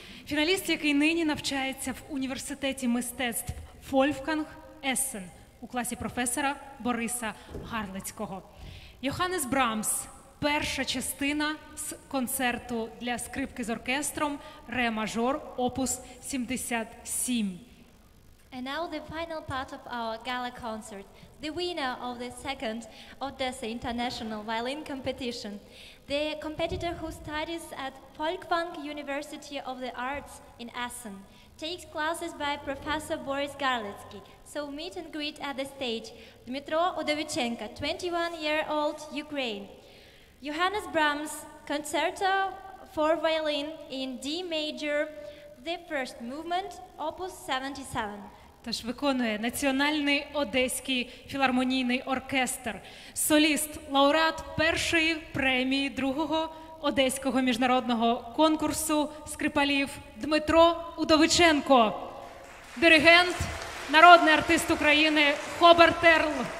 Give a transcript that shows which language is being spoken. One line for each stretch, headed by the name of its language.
Ukrainian: Фіналіст, який нині навчається в університеті мистецтв Folkwang Essen у класі професора Бориса Гарлицького. Йоханнес Брамс, перша частина з концерту для скрипки з оркестром «Ре мажор» опус 77.
English: And now the final part of our gala concert, the winner of the second Odesa International Violin Competition, the competitor who studies at Folkwang University of the Arts in Essen, takes classes by Professor Boris Garlitsky. So meet and greet at the stage, Dmytro Udovychenko, 21-year-old Ukraine. Johannes Brahms, Concerto for Violin in D major, the first movement, opus 77.
Ukrainian: Тож виконує Національний Одеський філармонійний оркестр, соліст, лауреат першої премії другого Одеського міжнародного конкурсу скрипалів Дмитро Удовиченко, диригент, народний артист України Хобертерл.